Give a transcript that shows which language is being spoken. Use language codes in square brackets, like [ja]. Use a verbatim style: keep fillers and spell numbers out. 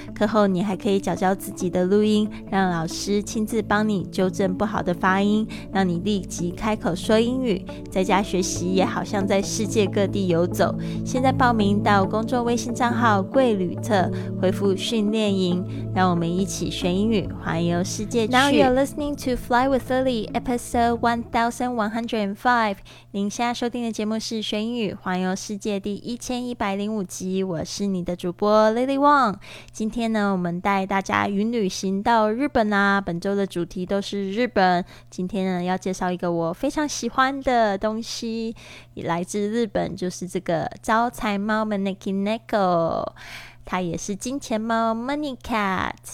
[zh] 课后你还可以找找自己的录音，让老师亲自帮你纠正不好的发音，让你立即开口说英语。在家学习也好像在世界各地游走。现在报名到公众微信账号贵旅特回复训练营，让我们一起学英语，环游世界去。 [en] Now you're listening to Fly with Lily, episode one thousand one hundred five。 [zh] 您现在收听的节目是学英语环游世界第一千一百零五集，我是你的主播 Lily Wang。今天呢，我们带大家云旅行到日本啦、啊、本周的主题都是日本。今天呢，要介绍一个我非常喜欢的东西，来自日本，就是这个招财猫 Maneki Neko，它也是金钱猫 Money Cat。